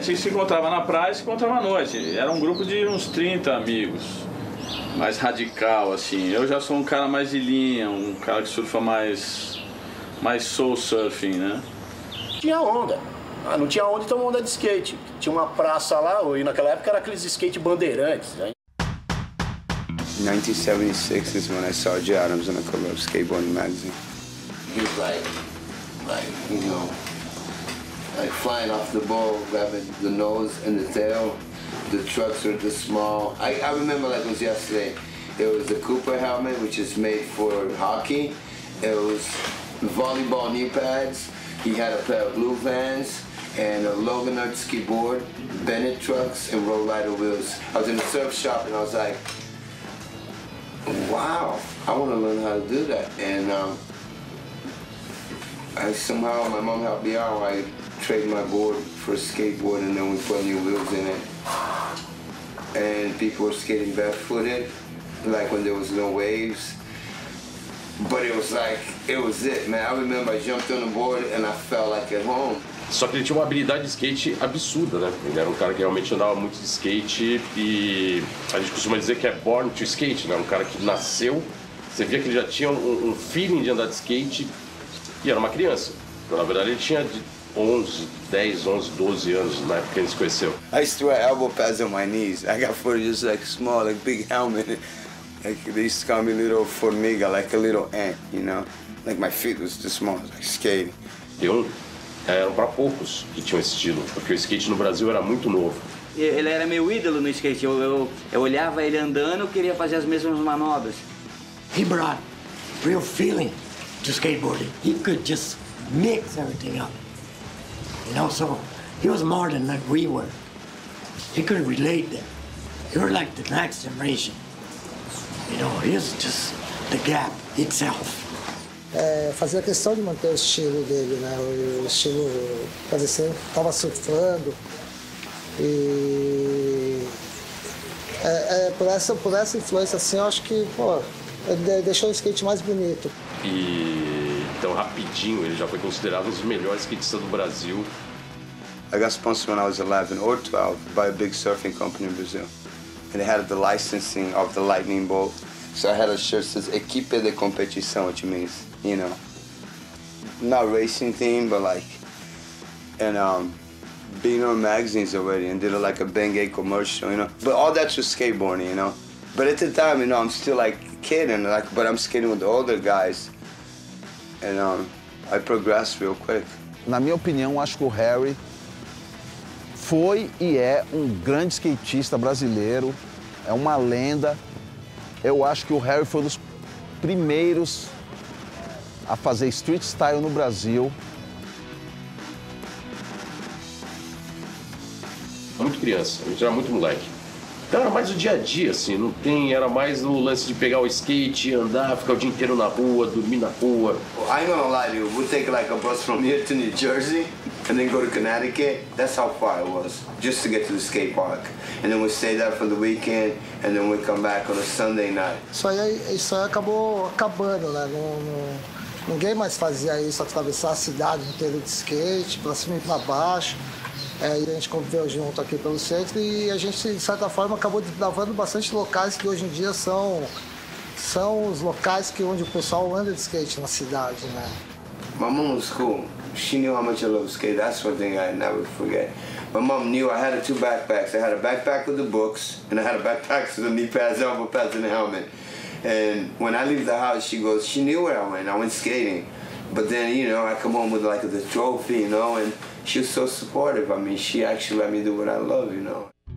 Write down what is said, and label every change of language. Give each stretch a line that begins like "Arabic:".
Portuguese: A gente se encontrava na praia e se encontrava à noite. Era um grupo de uns 30 amigos. Mais radical, assim. Eu já sou um cara mais de linha, um cara que surfa mais soul surfing, né? Tinha onda. Ah, não tinha onda, então onda de skate. Tinha uma praça lá, e naquela época era aqueles skate bandeirantes. Né?
English: 1976 is when I saw Jay Adams on the cover of Skateboarding Magazine. He was like, you know, like flying off the ball, grabbing the nose and the tail. The trucks are this small. I remember like it was yesterday. It was the Cooper helmet, which is made for hockey. It was volleyball knee pads. He had a pair of blue Vans and a Logan Art ski board, Bennett trucks and roll rider wheels. I was in a surf shop and I was like, wow, I want to learn how to do that. And I somehow, my mom helped me out. I traded my board for a skateboard and then we put new wheels in it. And people were skating barefooted, like when there was no waves. But it was like, it was it, man. I remember I jumped on the board and I felt like at home.
Portuguese: Só que ele tinha uma habilidade de skate absurda, né? Ele era um cara que realmente andava muito de skate e a gente costuma dizer que é
English: born to skate,
Portuguese: né? Um cara que nasceu, você via que ele já tinha um feeling de andar de skate e era uma criança. Então, na verdade, ele tinha de 11, 10, 11, 12 anos na época que ele se conheceu.
English: I used to wear elbow pads on my knees. I got for just like small, like big helmet. Like they used to call me little formiga, like a little ant, you know? Like my feet was this small, like skating.
Portuguese: Eu era pra poucos que tinham esse estilo, porque o skate no Brasil era muito novo. Ele era meu ídolo no skate. Eu olhava ele andando, eu queria fazer as mesmas manobras.
English: He brought real feeling to skateboarding. He could just mix everything up. You know, so he was more than like we were. He could relate that. He was like the next generation. You know, it's just the gap itself.
Portuguese: É, fazia questão de manter o estilo dele, né? O estilo, fazer sempre, tava surfando. E por essa influência assim, eu acho que, pô, deixou o skate mais bonito. E então rapidinho ele já foi considerado um dos melhores skatistas do Brasil.
English: I got sponsored when I was 11 or 12 by a big surfing company in Brazil. and it had the licensing of the lightning bolt. So I had a shirt that says
Portuguese: Equipe de Competição,
English: which means, you know, not racing theme, but like, and being on magazines already and did a, like a Bengay commercial, you know. But all that's just skateboarding, you know. But at the time, you know, I'm still like a kid and like, but I'm skating with the older guys. And I progressed real quick.
Portuguese: Na minha opinião, acho que o Harry foi e é grande skatista brasileiro, é uma lenda. Eu acho que o Harry foi um dos primeiros a fazer street style no Brasil. Foi muito criança, a gente era muito moleque. Então era mais o dia a dia, assim, não tem, era mais o lance de pegar o skate, andar, ficar o dia inteiro na rua, dormir na rua.
English: I'm gonna lie to you, we'll take like a bus from here to New Jersey and then go to Connecticut. That's how far it was, just to get to the skate park. And then we stay there for the weekend and then we come back on a Sunday night.
Portuguese: Isso aí acabando, né? Ninguém mais fazia isso, atravessar a cidade inteira de skate, pra cima e pra baixo. É, a gente conviveu junto aqui pelo centro e a gente, de certa forma, acabou lavando bastante locais que hoje em dia são os locais que onde o pessoal anda de skate na cidade, né?
English: My mom was cool. She knew how much I love skate. That's one thing I never forget. My mom knew I had two backpacks. I had a backpack with the books and I had a backpack with the knee pads, elbow pads and the helmet. And when I leave the house, she goes, she knew where I went skating. But then, you know, I come home with like the trophy, you know, and she's so supportive. I mean, she actually let me do what I love, you know.